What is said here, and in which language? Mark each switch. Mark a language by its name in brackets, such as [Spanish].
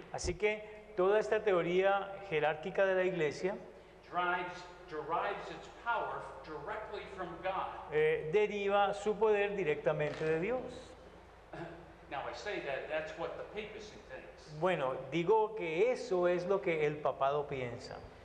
[Spanish] así que toda esta teoría jerárquica de la iglesia [English] derives its power directly from God. [Spanish] Deriva su poder directamente de Dios. [English] Now I say that, that's what the papacy thinks. [Spanish] Bueno, digo que eso es lo que el papado piensa.